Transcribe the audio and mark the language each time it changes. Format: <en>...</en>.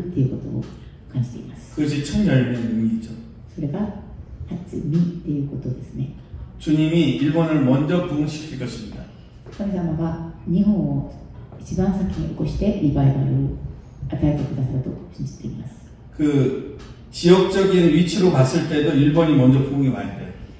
<ja>私は個人的にこの日韓中の中で日本が最初にリバイバルが起こるっていうことを感じています。</ja> <ko>그것이 첫 열매입니다.</ko> <ja>それが初実っていうことですね。</ja> <ko>주님이 일본을 먼저 부흥시킬 것입니다.</ko> <ja>神様が日本を一番先に起こしてリバイバルを与えてくださると信じています。</ja> <ko>그 지역적인 위치로 봤을 때도 일본이 먼저 부흥이 와야 돼.</ko>